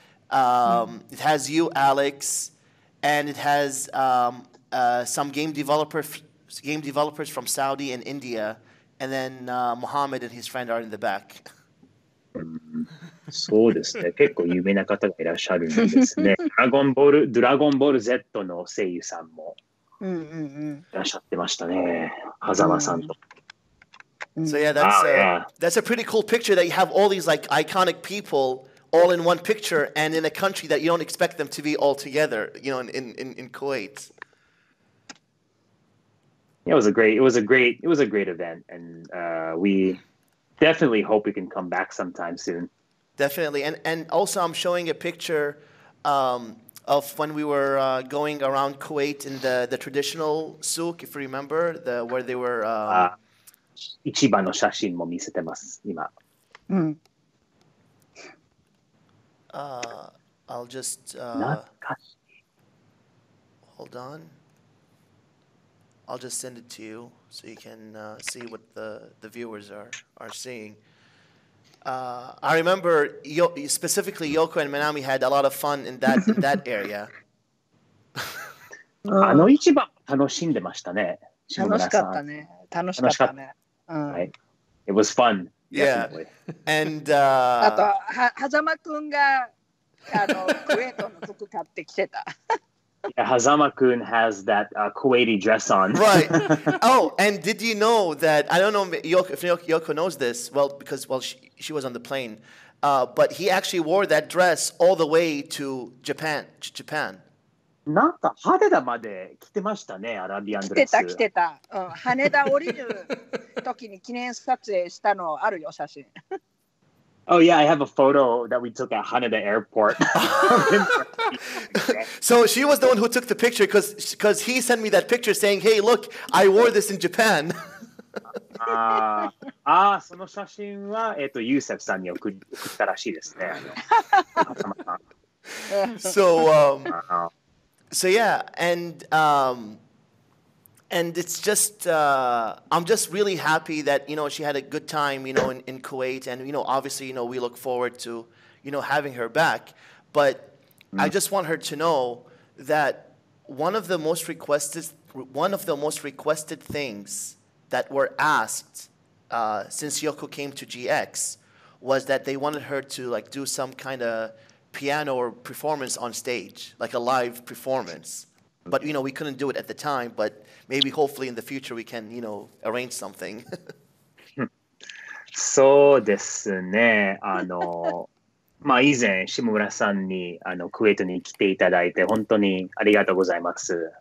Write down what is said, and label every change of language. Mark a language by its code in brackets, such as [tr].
[en] It has you, Alex, and it has some game developers from Saudi and India, and then Mohammed and his friend are in the back. [ja] そうですね。結構有名な方がいらっしゃるんですね。ドラゴンボール Z の声優さんもいらっしゃってましたね。狭間さんと。 [en] So yeah, that's a pretty cool picture that you have all these like iconic people all in one picture and in a country that you don't expect them to be all together, you know, in Kuwait. Yeah, it was a great event, and we definitely hope we can come back sometime soon. Definitely, and also I'm showing a picture of when we were going around Kuwait in the traditional souk, if you remember, where they were. [ja] 市場の写真も見せてます今。うん。 [en] I'll just hold on. I'll just send it to you so you can see what the viewers are seeing. I remember specifically Yoko and Manami had a lot of fun in that area. [ja] あの市場楽しんでましたね。楽しかったね。 [en] Right. It was fun. Yeah. Definitely. And [ja] Hazama-kun が Kuwaitの服買ってきてた。 [en] Yeah, Hazama-kun has that Kuwaiti dress on. Right. Oh, and did you know that, I don't know if Yoko knows this, well, because she was on the plane, but he actually wore that dress all the way to Japan. Japan. [ja] なんか羽田まで来てましたね、アラビアンドレス。来てた。うん、羽田降りる時に記念撮影したのあるよ、写真。 [en] Oh yeah, I have a photo that we took at Haneda Airport. So she was the one who took the picture because he sent me that picture saying, hey, look, I wore this in Japan. [ja] ああ、その写真は、ユーセフさんに送ったらしいですね。 [en] So, So yeah, and it's just I'm just really happy that you know she had a good time you know in Kuwait and you know obviously you know we look forward to you know having her back, but I just want her to know that one of the most requested things that were asked since Yoko came to GX was that they wanted her to like do some kind of piano or performance on stage, like a live performance. But you know, we couldn't do it at the time, but maybe hopefully in the future we can, you know, arrange something. [ja] そうですね。まあ以前、下村さんにクウェートに来ていただいて、本当にありがとうございます。